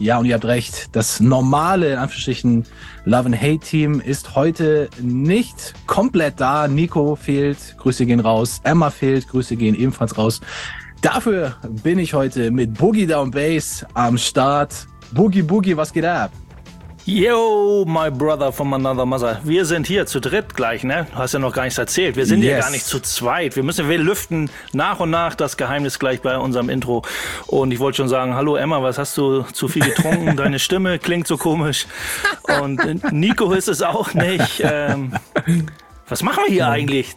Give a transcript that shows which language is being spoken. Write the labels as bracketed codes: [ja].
[de] Ja, und ihr habt recht, das normale, in Anführungsstrichen, Love and Hate-Team ist heute nicht komplett da. Nico fehlt, Grüße gehen raus. Emma fehlt, Grüße gehen ebenfalls raus. Dafür bin ich heute mit Boogie Down Bass am Start. Boogie, Boogie, was geht ab? [en] Yo, my brother from another mother. [de] Wir sind hier zu dritt gleich, ne? Du hast ja noch gar nichts erzählt. Wir sind hier gar nicht zu zweit. Wir lüften nach und nach das Geheimnis gleich bei unserem Intro. Und ich wollte schon sagen, hallo Emma, was hast du zu viel getrunken? Deine Stimme klingt so komisch. Und Nico ist es auch nicht. Was machen wir hier eigentlich?